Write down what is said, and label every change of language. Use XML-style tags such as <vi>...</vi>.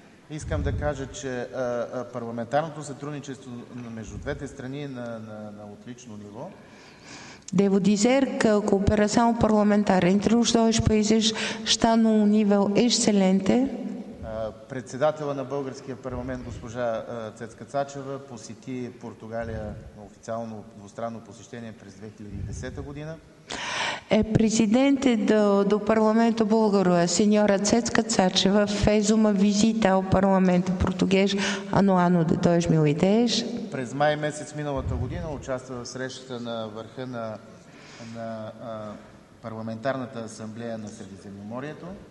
<bg>Искам да кажа, че парламентарното сътрудничество между двете страни е на отлично ниво.</bg> <pt>Devo dizer que a cooperação parlamentar entre os dois países está num nível excelente.</pt> <bg>Председателя на българския парламент, госпожа Цецка Цачева, посети Португалия на официално двустранно посещение през 2010 година.</bg> <pt>É presidente do Parlamento Búlgaro, a senhora Cecka Cacheva, fez uma visita ao Parlamento Português no ano de 2010.</pt> <bg>През май месец миналата година участва в срещата на върха на парламентарната асамблея на Средиземноморието.</bg>